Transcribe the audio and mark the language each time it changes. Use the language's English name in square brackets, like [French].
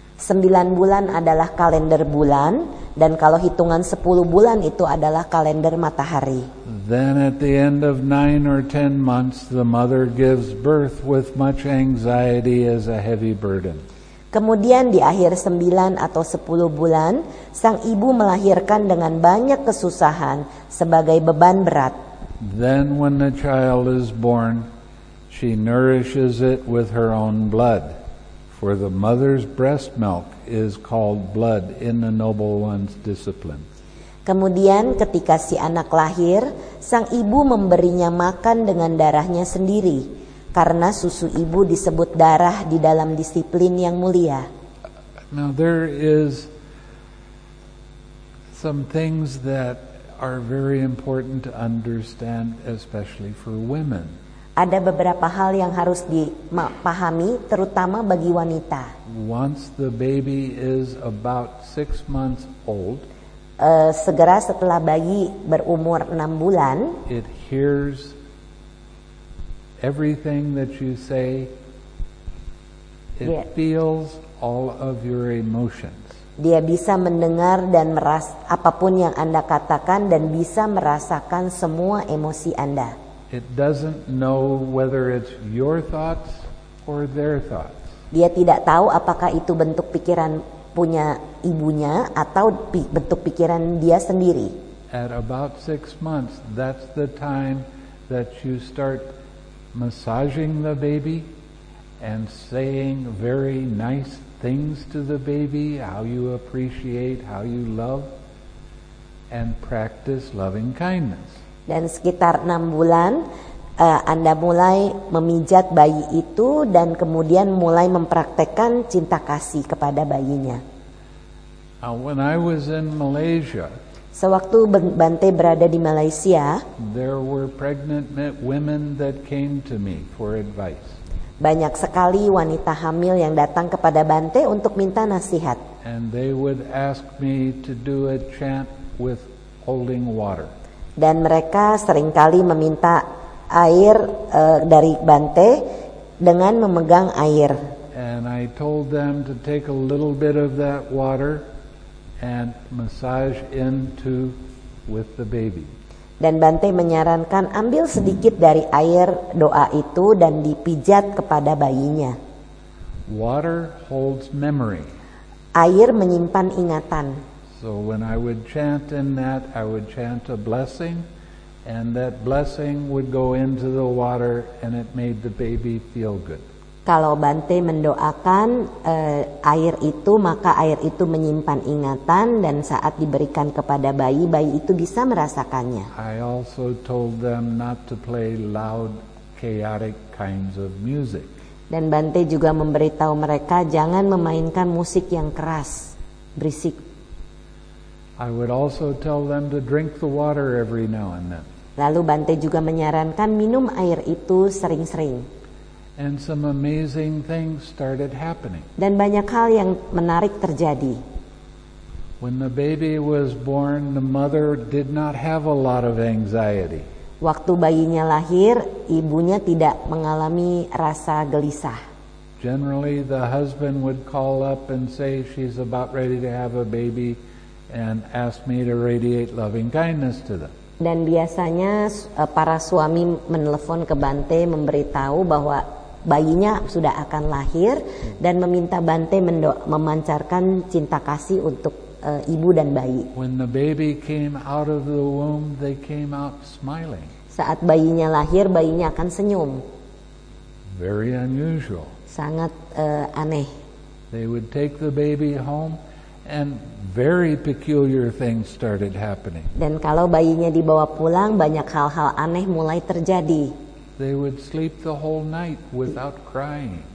[Indonesian] 9 bulan adalah kalender bulan, dan kalau hitungan 10 bulan itu adalah kalender matahari. [English] Then at the end of 9 or 10 months, the mother gives birth with much anxiety as a heavy burden. [Indonesian] Kemudian di akhir 9 atau 10 bulan, sang ibu melahirkan dengan banyak kesusahan sebagai beban berat. [English] Then when the child is born, she nourishes it with her own blood. For the mother's breast milk is called blood in the noble one's discipline. [Indonesian] Kemudian ketika si anak lahir, sang ibu memberinya makan dengan darahnya sendiri, karena susu ibu disebut darah di dalam disiplin yang mulia. [English] Now there is some things that are very important to understand, especially for women. [Indonesian] Ada beberapa hal yang harus dipahami, terutama bagi wanita. [English] Once the baby is about 6 months old, [Indonesian] segera setelah bayi berumur 6 bulan, [English] it hears everything that you say. It yeah. feels all of your emotions. [Indonesian] Dia bisa mendengar dan merasa apapun yang Anda katakan dan bisa merasakan semua emosi Anda. [English] It doesn't know whether it's your thoughts or their thoughts. [Indonesian] Dia tidak tahu apakah itu bentuk pikiran punya ibunya atau bentuk pikiran dia sendiri. [English] At about 6 months, that's the time that you start massaging the baby and saying very nice things to the baby, how you appreciate, how you love, and practice loving kindness. [Indonesian] Dan sekitar 6 bulan Anda mulai memijat bayi itu dan kemudian mulai mempraktekkan cinta kasih kepada bayinya. [English] When I was in Malaysia, [Indonesian] sewaktu Bante berada di Malaysia, [English] there were pregnant women that came to me for advice. [Indonesian] Banyak sekali wanita hamil yang datang kepada Bante untuk minta nasihat. [English] And they would ask me to do a chant with holding water. [Indonesian] Dan mereka seringkali meminta air dari Bante dengan memegang air. [English] And I told them to take a little bit of that water and massage into with the baby. [Indonesian] Dan Bante menyarankan ambil sedikit dari air doa itu dan dipijat kepada bayinya. [English] Water holds memory. [Indonesian] Air menyimpan ingatan. [English] So when I would chant in that, I would chant a blessing, and that blessing would go into the water, and it made the baby feel good. [Indonesian] Kalau Bante mendoakan air itu, maka air itu menyimpan ingatan, dan saat diberikan kepada bayi, bayi itu bisa merasakannya. [English] I also told them not to play loud, chaotic kinds of music. [Indonesian] Dan Bante juga memberitahu mereka jangan memainkan musik yang keras, berisik. [English] I would also tell them to drink the water every now and then. [Indonesian] Lalu Bante juga menyarankan minum air itu sering-sering. [English] And some amazing things started happening. [Indonesian] Dan banyak hal yang menarik terjadi. [English] When the baby was born, the mother did not have a lot of anxiety. [Indonesian] Waktu bayinya lahir, ibunya tidak mengalami rasa gelisah. [English] Generally, the husband would call up and say she's about ready to have a baby. And asked me to radiate loving kindness to them. [Indonesian] Dan biasanya para suami menelpon ke Bante memberitahu bahwa bayinya sudah akan lahir dan meminta Bante memancarkan cinta kasih untuk ibu dan bayi. [English] When the baby came out of the womb, they came out smiling. [Indonesian] Saat bayinya lahir, bayinya akan senyum. [English] Very unusual. [Indonesian] Sangat aneh. [English] They would take the baby home and very peculiar things started happening. [Indonesian] Dan kalau bayinya dibawa pulang, banyak hal-hal aneh mulai terjadi. [English] They would sleep the whole night without crying.